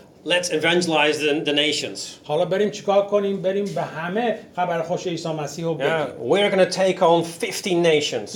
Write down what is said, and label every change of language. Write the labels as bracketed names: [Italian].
[English] Let's evangelize the nations. [Persian] حالا بریم چیکار کنیم؟ بریم به همه خبر خوش عیسی مسیح رو بگیم. [English] We're going to take on 15 nations.